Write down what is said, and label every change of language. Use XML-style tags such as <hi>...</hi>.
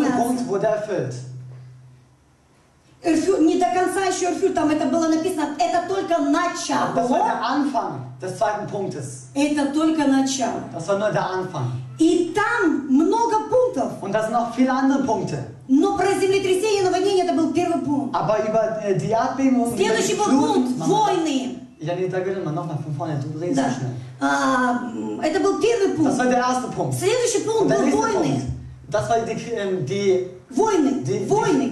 <de>Der erste Punkt wurde erfüllt.</de> <ru>Не до конца еще erfüllt, там это было написано. Это только начало.</ru> <de>Das war der Anfang des zweiten Punktes.</de> <ru>Это только начало.</ru> <de>Das war nur der Anfang.</de> <ru>И там много пунктов.</ru> <de>Und das sind noch viele andere Punkte.</de> <ru>Но про землетрясение и наводнение это был первый пункт. Следующий был пункт – войны. Я не так говорю, но нахуй фоне, ты говоришь так же. Это был первый пункт.</ru> <de>Das war der erste Punkt.</de> <ru>Следующий пункт был войны.</ru> <de>Das war die</de> <ru>войны, войны,</ru>